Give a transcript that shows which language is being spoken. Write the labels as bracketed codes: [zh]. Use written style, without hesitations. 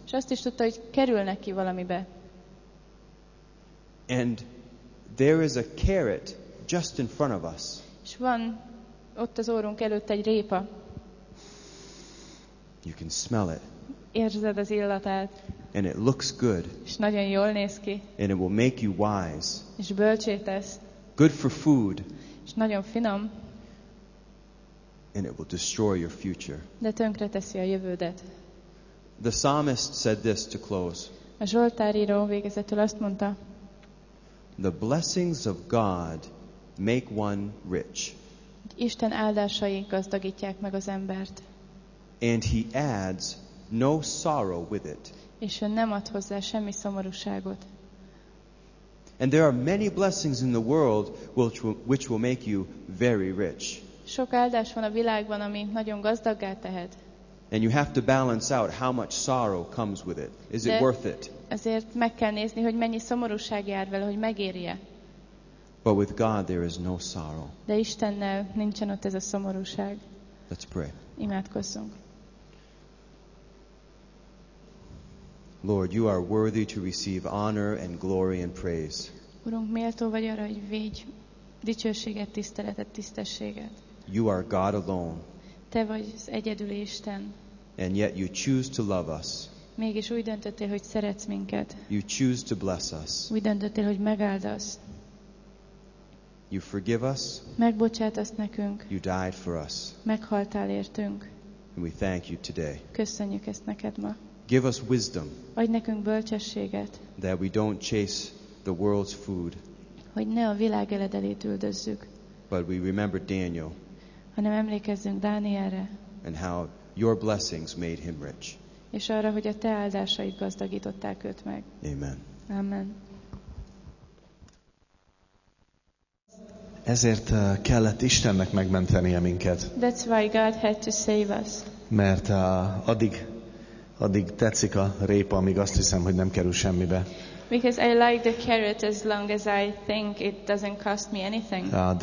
[hu] És azt is tudta, hogy kerül neki valamibe. [en] And there is a carrot just in front of us. [hu] És van ott az órunk előtt egy répa. [en] You can smell it. [hu] Érzed az illatát. [en] And it looks good. [hu] És nagyon jól néz ki. [en] And it will make you wise. [hu] És bölcsé tesz. [en] Good for food. [hu] És nagyon finom. [en] And it will destroy your future. [hu] De tönkre teszi a jövődet. [en] The psalmist said this to close. [hu] A Zsoltár író végezetül azt mondta. [en] The blessings of God make one rich. [hu] Isten áldásai gazdagítják meg az embert. [en] And he adds no sorrow with it. [hu] És ő nem ad hozzá semmi szomorúságot. [en] And there are many blessings in the world which will make you very rich. [hu] Sok áldás van a világban, ami nagyon gazdaggá tehet. [en] And you have to balance out how much sorrow comes with it. Is [hu] De [en] it worth it? [hu] Ezért meg kell nézni, hogy mennyi szomorúság jár vele, hogy megérje. [en] But with God there is no sorrow. [hu] De Istennel nincsen ott ez a szomorúság. [en] Let's pray. [hu] Imádkozzunk. [en] Lord, you are worthy to receive honor and glory and praise. [hu] Urunk, méltó vagy arra, hogy végy dicsőséget, tiszteletet, tisztességet. [en] You are God alone. [hu] Te vagy az egyedül Isten. [en] And yet you choose to love us. [hu] Mégis úgy döntöttél, hogy szeretsz minket. [en] You choose to bless us. [hu] Úgy döntöttél, hogy megáldasz. [en] You forgive us. [hu] Megbocsátasz nekünk. [en] You died for us. [hu] Meghaltál értünk. [en] And we thank you today. [hu] Köszönjük ezt neked ma. [en] Give us wisdom. [hu] Adj nekünk bölcsességet. [en] That we don't chase the world's food. [hu] Hogy ne a világ eledelét üldözzük. [en] But we remember Daniel. [hu] Hanem emlékezzünk Dánielre. [en] And how your blessings made him rich. [hu] És arra, hogy a te áldásaid gazdagították őt meg. [en] Amen. [hu] Amen. Ezért kellett Istennek megmentenie minket. [en] That's why God had to save us. [hu] Mert addig tetszik a répa, amíg azt hiszem, hogy nem kerül semmibe. [en] Because I like the carrot as long as I think it doesn't cost me anything.